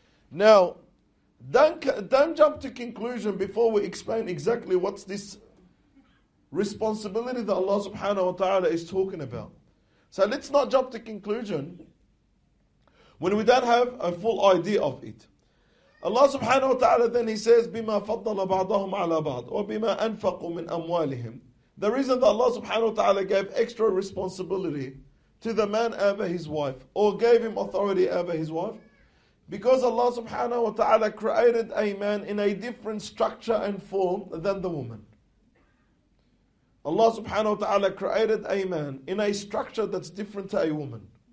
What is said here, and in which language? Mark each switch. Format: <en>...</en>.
<en>Now, don't jump to conclusion before we explain exactly what's this responsibility that Allah subhanahu wa ta'ala is talking about. So let's not jump to conclusion when we don't have a full idea of it. Allah subhanahu wa ta'ala then he says,</en> <ar>بِمَا فَضَّلَ بَعْضَهُمْ عَلَى بَعْضٍ وَبِمَا أَنْفَقُوا مِنْ أَمْوَالِهِمْ.</ar> <en>The reason that Allah subhanahu wa ta'ala gave extra responsibility to the man over his wife, or gave him authority over his wife, because Allah subhanahu wa ta'ala created a man in a different structure and form than the woman. Allah subhanahu wa ta'ala created a man in a structure that's different to a woman.</en>